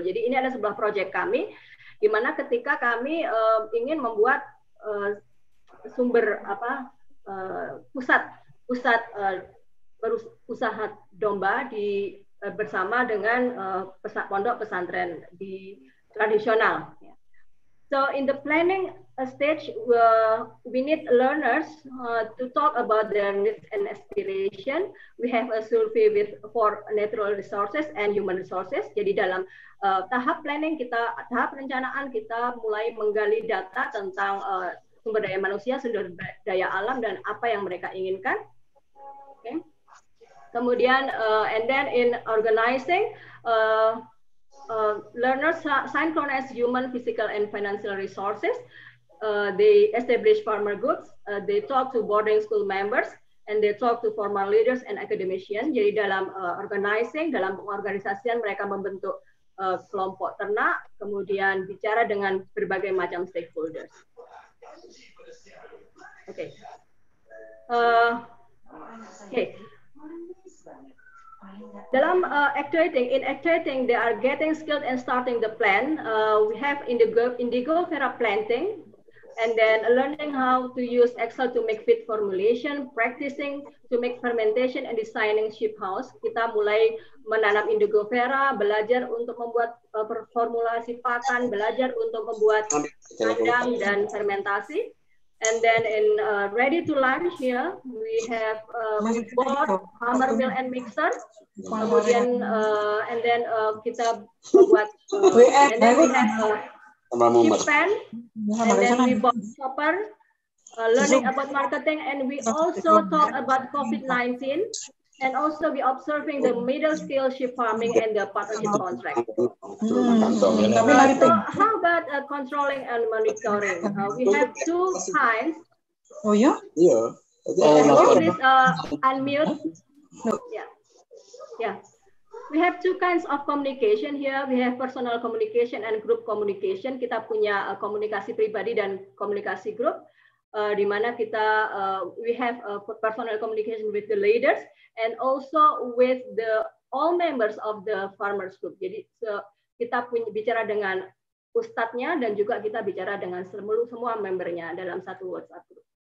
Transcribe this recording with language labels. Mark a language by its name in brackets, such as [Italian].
[Indonesian] Jadi ini ada sebuah proyek kami di mana ketika kami ingin membuat usaha domba di bersama dengan pondok pesantren di tradisional. [English] So in the planning stage, we need learners to talk about their needs and aspiration. We have a survey with for natural resources and human resources. [Indonesian] Jadi dalam tahap perencanaan kita mulai menggali data tentang sumber daya manusia, sumber daya alam, dan apa yang mereka inginkan. [English] Okay. [Indonesian] Kemudian [English] and then in organizing. Learners synchronize human, physical, and financial resources. They establish farmer groups. They talk to boarding school members, and they talk to formal leaders and academicians. [Indonesian] Jadi dalam organizing, dalam pengorganisasian, mereka membentuk kelompok ternak, kemudian bicara dengan berbagai macam stakeholders. [English] Okay. [Indonesian] Dalam [English] actuating, they are getting skilled and starting the plan. We have indigo vera planting, and then learning how to use Excel to make feed formulation, practicing to make fermentation and designing sheep house. [Indonesian] Kita mulai menanam indigo vera, belajar untuk membuat formulasi pakan, belajar untuk membuat kandang dan fermentasi. [English] And then in ready to launch here, we have board, hammer, mill, and mixer. [Indonesian] Kemudian kita buat [English] and then we have sheep pen, and then we bought chopper. Learning about marketing, and we also talk about COVID-19, and also we observing the middle scale sheep farming and the partnership contract. So how about controlling and monitoring? We have two kinds. Oh yeah. Yeah. Please unmute. Yeah. We have two kinds of communication here. We have personal communication and group communication. [Indonesian] Kita punya komunikasi pribadi dan komunikasi grup. Di mana kita [English] we have personal communication with the leaders and also with the all members of the farmers group. [Indonesian] Jadi kita punya bicara dengan ustadznya dan juga kita bicara dengan semua membernya dalam satu WhatsApp group.